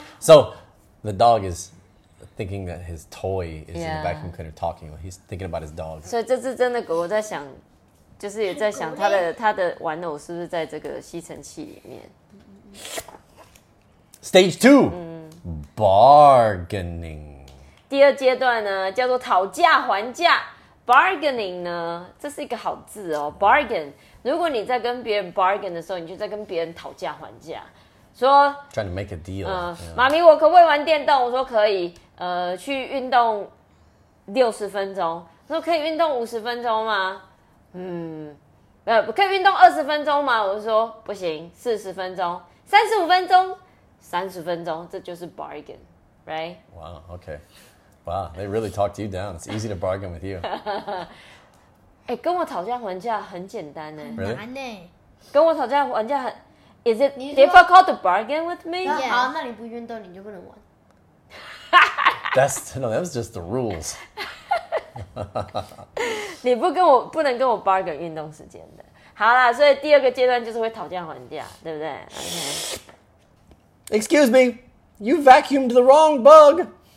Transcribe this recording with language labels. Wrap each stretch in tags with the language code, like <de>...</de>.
<en>so the dog is thinking that his toy is、yeah. in the vacuum cleaner talking he's thinking about his dog</en> <zh>所以这次真的狗狗在想就是也在想它的玩偶是不是在这个吸尘器里面</zh> <en>stage 2、bargaining</en> <zh>第二阶段呢叫做讨价还价 bargaining 呢，这是一个好字哦 ，bargain。如果你在跟别人 bargain 的时候，你就在跟别人讨价还价，说</zh> <en>trying to make a deal。</en> <zh>妈咪，我可不可以玩电动？我说可以。去运动60分钟，说可以运动50分钟吗？可以运动20分钟吗？我说不行，40分钟，35分钟，30分钟，这就是 bargain， right？</zh> <en>Wow， okay。 Wow, they really talked you down. It's easy to bargain with you.</en> <zh>欸，跟我吵架还价很简单耶。</zh> <en>Really?</en> <zh>难耶。跟我吵架还价很</zh> <en>Is it difficult to bargain with me?</en> <zh>好，那你不运动你就不能玩。</zh> <en>That's, no, that was just the rules.</en> <zh>你不跟我，不能跟我 bargain 运动时间的。好啦，所以第二个阶段就是会吵架还价，对不对？</zh> <en>Okay. Excuse me, you vacuumed the wrong bug.</en>